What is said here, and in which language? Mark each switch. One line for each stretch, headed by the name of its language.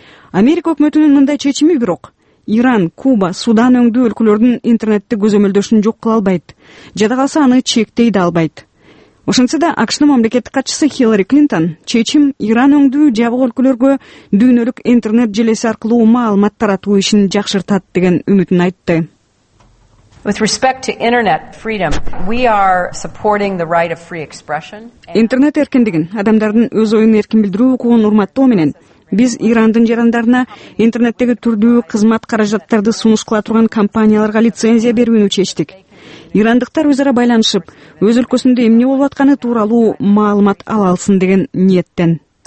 Kyrgyz: Америка өкмөтүнүн мындай чечими бирок Иран, Куба, Судан өңдүү өлкөлөрдүн интернетти көзөмөлдөшүн жок кыла албайт, жада калса аны чектей да албайт. Ошентсе да АКШнын мамлекеттик катчысы Хиллари Клинтон чечим Иран өңдүү жабык өлкөлөргө дүйнөлүк интернет желеси аркылуу маалымат таратуу ишин жакшыртат деген үмүтүн айтты.
English: With respect to internet freedom, we are supporting the right of free expression.
Kyrgyz: Интернет эркиндигин, адамдардын өз оюн эркин билдирүү укугун урматтоо менен биз Ирандын жарандарына интернеттеги түрдүү кызмат каражаттарды сунуш кыла турган компанияларга лицензия берүүнү чечтик. Ирандыктар өз ара байланышып, өз өлкөсүндө эмне болуп атканы тууралуу маалымат ала алсын деген ниеттен.